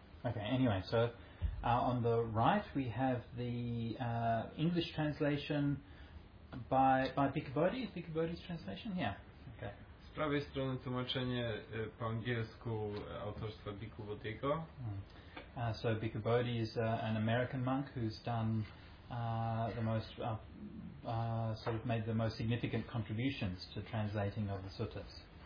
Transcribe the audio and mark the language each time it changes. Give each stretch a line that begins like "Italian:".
English: Okay, anyway, so on the right we have the English translation by Bhikkhubodhi, Bhikkhubodhi's translation, yeah. Okay.
Polish: Z prawej strony tłumaczenie po angielsku autorstwa Bhikkhubodhi'ego.
English: So Bhikkhubodhi is an American monk who's done the most sort of made the most significant contributions to translating of the suttas.